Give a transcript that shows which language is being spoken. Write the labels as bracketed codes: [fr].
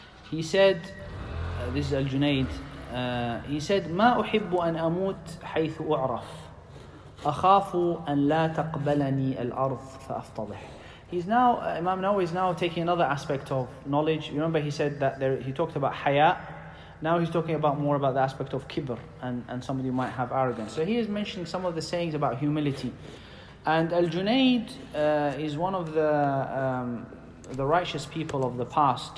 [en] He said, this is al-Junaid, he said, [ar] ما أحب أن أموت حيث أعرف. أخاف أن لا تقبلني الأرض فأفتضح. [en] He's now, Imam Nawawi is now taking another aspect of knowledge. You remember he said that there, he talked about haya. Now he's talking about more about the aspect of kibr and somebody might have arrogance. So he is mentioning some of the sayings about humility. And Al-Junaid is one of the righteous people of the past.